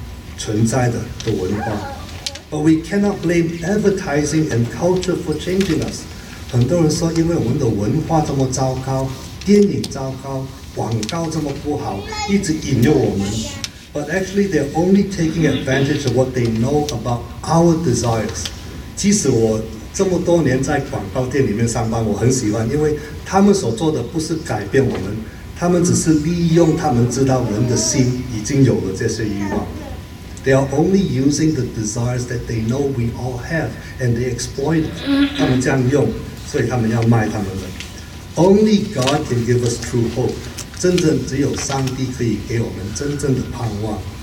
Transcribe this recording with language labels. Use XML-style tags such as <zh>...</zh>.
<zh>这个真的完全很像我们现在存在的文化。</zh> <en>But we cannot blame advertising and culture for changing us.</en> <zh>很多人说因为我们的文化这么糟糕，电影糟糕，广告这么不好，一直引诱我们。</zh> <en>But actually they're only taking advantage of what they know about our desires.</en> <zh>其实我这么多年在广告店里面上班，我很喜欢，因为他们所做的不是改变我们，他们只是利用他们知道人的心已经有了这些欲望。</zh> <en>They are only using the desires that they know we all have, and they exploit it.</en> <zh>他们这样用，所以他们要卖他们的。</zh> <en>Only God can give us true hope.</en> <zh>真正只有上帝可以给我们真正的盼望。</zh>